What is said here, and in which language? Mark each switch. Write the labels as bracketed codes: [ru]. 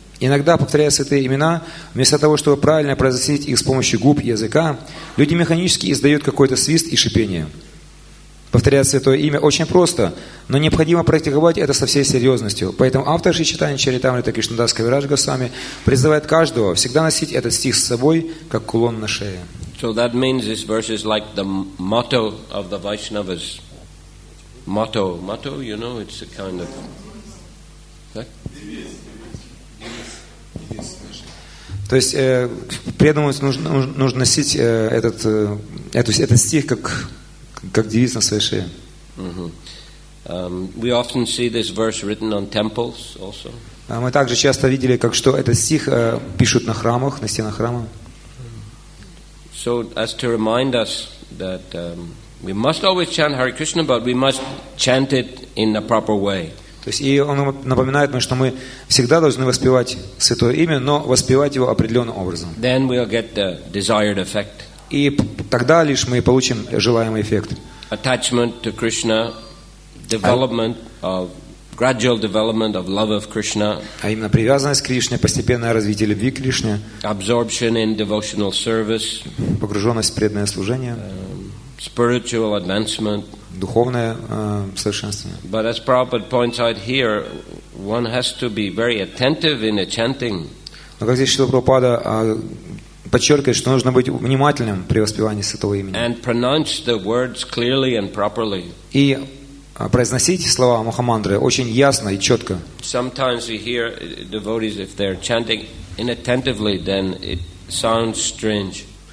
[ru] Иногда, повторяя святые имена, вместо того, чтобы правильно произносить их с помощью губ и языка, люди механически издают какой-то свист и шипение. Повторять святое имя очень просто, но необходимо практиковать это со всей серьезностью. Поэтому автор Шри Чайтанья Чаритамрита Кришнадас Кавирадж Госвами призывает каждого всегда носить этот стих с собой, как кулон на шее. [en] So that means this verse is like the motto of the Vaishnavas. Motto. Motto, you know, it's a kind of... [ru] То есть преданному нужно носить этот стих как девиз на своей шее. [en] We often see this verse written on temples also. [ru] Мы также часто видели, как что этот стих пишут на храмах, на стенах храма. [en] So as to remind us that we must always chant Hare Krishna, but we must chant it in the proper way. [ru] То есть и он напоминает нам, что мы всегда должны воспевать святое имя, но воспевать его определенным образом. [en] Then we'll get the desired effect. [ru] И тогда лишь мы получим желаемый эффект. [en] Attachment to Krishna, development of gradual development of love of Krishna. [ru] А именно привязанность к Кришне, постепенное развитие любви к Кришне. [en] Absorption in devotional service. [ru] Погруженность в преданное служение. [en] Spiritual advancement. [ru] Духовное совершенствование. [en] But as Prabhupada points out here, one has to be very attentive in the chanting. [ru] Но как здесь Шрила Прабхупада подчеркивает, что нужно быть внимательным при воспевании святого имени. [en] And pronounce the words clearly and properly. [ru] И произносить слова Махамантры очень ясно и четко. [en] Sometimes we hear devotees, if they're chanting inattentively, then it sounds strange.